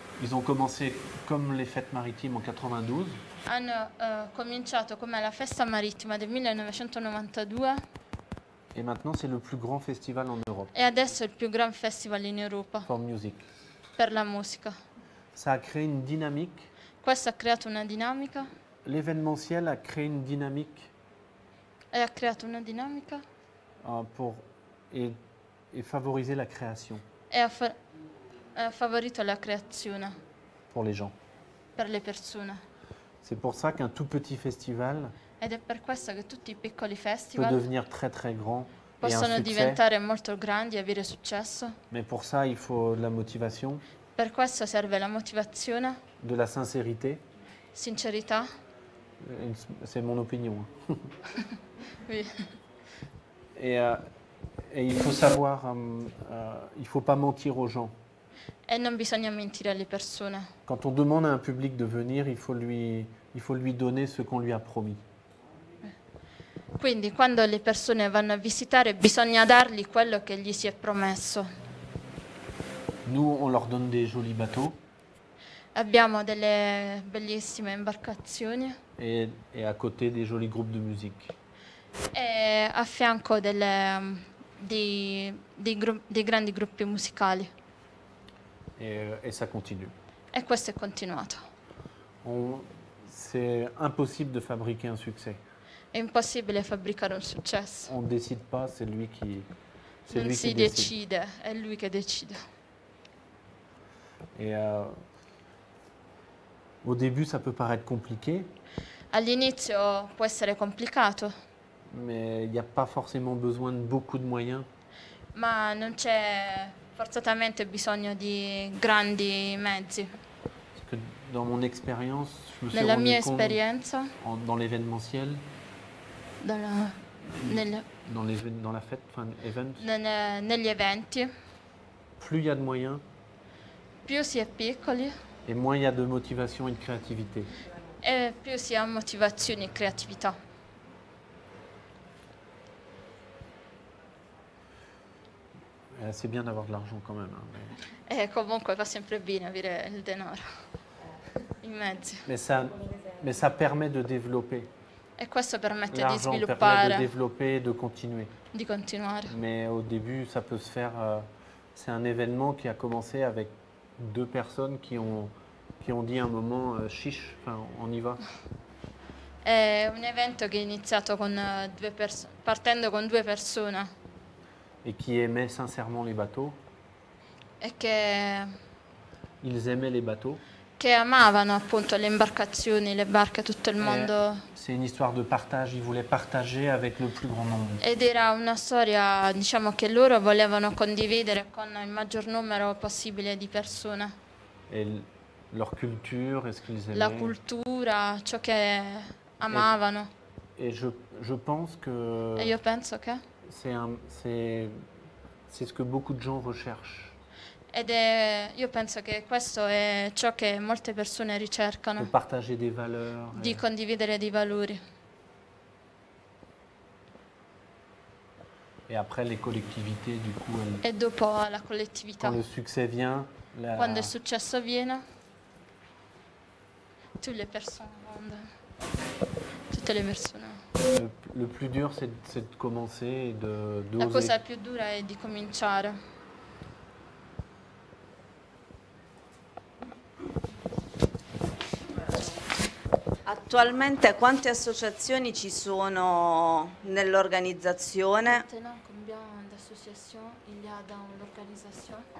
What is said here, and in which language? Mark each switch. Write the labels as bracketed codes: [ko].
[fr] Ils ont commencé comme les fêtes maritimes en 92. [it] Hanno cominciato come la festa marittima del 1992. [fr] Et maintenant c'est le plus grand festival en Europe. [it] E adesso è il più grande festival in Europa. [en] For music. [it] Per la musica. [fr] Ça a créé une dynamique. [it] Questo ha creato una dinamica. [fr] L'événementiel a créé une dynamique. [it] E ha creato una dinamica. [fr] Pour et favoriser la création. [it] E ha favorito la creazione. [fr] Pour les gens. [it] Per le persone. [fr] C'est pour ça qu'un tout petit festival. [it] Ed è per questo che tutti i piccoli festival. Può diventare [fr] très très grand. [it] Possono diventare molto grandi e avere successo. [fr] Mais pour ça il faut de la motivation. [it] Per questo serve la motivazione. [fr] De la sincérité. [it] Sincerità. [fr] C'est mon opinion. Oui. Et il faut savoir, il faut pas mentir aux gens. [it] E non bisogna mentire alle persone. [fr] Quand on demande à un public de venir, il faut lui donner ce qu'on lui a promis. [it] Quindi quando le persone vanno a visitare bisogna dargli quello che gli si è promesso. [fr] Nous on leur donne des jolis bateaux. [it] Abbiamo delle bellissime imbarcazioni. [fr] Et à côté des jolis groupes de musique. [it] E a fianco dei grandi gruppi musicali. [fr] Et ça continue. [it] E questo è continuato. [fr] C'est impossible de fabriquer un succès. [it] È impossibile fabbricare un successo. [fr] On décide pas, c'est lui qui. C'est non lui [it] si qui decide. Decide, è lui che decide. [fr] Et au début, ça peut paraître compliqué. [it] All'inizio può essere complicato. [fr] Mais il n'y a pas forcément besoin de beaucoup de moyens. [it] Ma non c'è forzatamente bisogno di grandi mezzi. [fr] Parce que dans mon expérience, je me suis [it] nella [fr] rendu [it] mia [fr] compte [it] esperienza, [fr] en, dans l'événementiel. Dans la, nel, dans les, dans la fête, enfin, event. [it] Nel, negli eventi. [fr] Plus il y a de moyens. [it] Più si è piccoli. [fr] Et moins il y a de motivation et de créativité. [it] E più si ha motivazione e creatività. [fr] C'est bien d'avoir de l'argent quand même. Hein, mais... [it] Et comunque va sempre bene avere il denaro in mezzo. [fr] Mais ça permet de développer. [it] Et questo permette [fr] l'argent [it] di sviluppare. [fr] Permet de développer, de continuer. [it] Di continuare. [fr] Mais au début, ça peut se faire. C'est un événement qui a commencé avec deux personnes qui ont dit un moment chiche, enfin, on y va. [it] È un evento che è iniziato con due persone, partendo con due persone. [fr] Et qui aimaient sincèrement les bateaux. Et que ils aimaient les bateaux. [it] Che amavano appunto le imbarcazioni, le barche, tutto il mondo. [fr] C'est une histoire de partage. Ils voulaient partager avec le plus grand nombre. [it] Ed era una storia, diciamo, che loro volevano condividere con il maggior numero possibile di persone. [fr] Et leur culture, est-ce qu'ils aimaient. [it] La cultura, ciò che amavano. [fr] Et je pense que. [it] E io penso che. [fr] C'est ce que beaucoup de gens recherchent. [it] Ed è, io penso che questo è ciò che molte persone ricercano. [fr] De partager des valeurs. [it] Di condividere dei valori. [fr] Et après les collectivités, du coup. Elles, [it] e dopo la collettività. [fr] Quand le succès vient. La... [it] Quando il successo viene. Tutte le persone. Tutte le persone. [fr] Le plus dur, c'est de commencer et de [it] la cosa più dura è di cominciare. Attualmente quante associazioni ci sono nell'organizzazione? [fr] Combien d'associations il y a dans l'organisation?